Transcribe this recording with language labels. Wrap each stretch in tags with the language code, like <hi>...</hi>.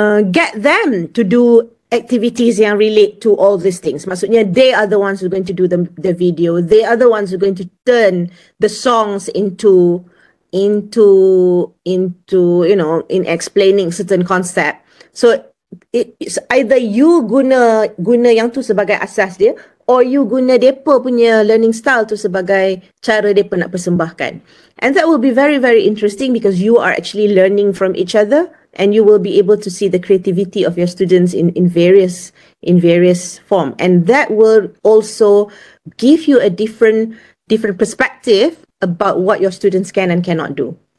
<en>Get them to do activities yang relate to all these things. Maksudnya, they are the ones who are going to do the video. They are the ones who are going to turn the songs into you know, in explaining certain concept. So, it's either you</en> <ms>guna yang tu sebagai asas dia, or you guna depa punya learning style tu sebagai cara depa nak persembahkan.</ms> <en>And that will be very, very interesting because you are actually learning from each other. And you will be able to see the creativity of your students in various form. And that will also give you a different perspective about what your students can and cannot do.</en>